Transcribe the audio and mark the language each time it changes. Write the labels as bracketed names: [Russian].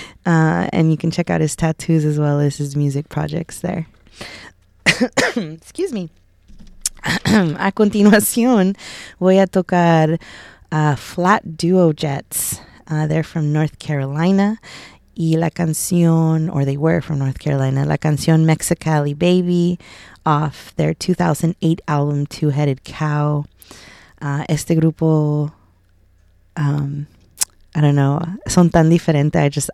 [English] And you can check out his tattoos as well as his music projects there. Excuse me. [Spanish] A continuación, voy a tocar Flat Duo Jets. [English] They're from North Carolina. [Spanish] Y la canción, [English] or they were from North Carolina, [Spanish] la canción [English] Mexicali Baby, off their 2008 album Two-Headed Cow. [Spanish] Este grupo, [English] I don't know, [Spanish] son tan diferente.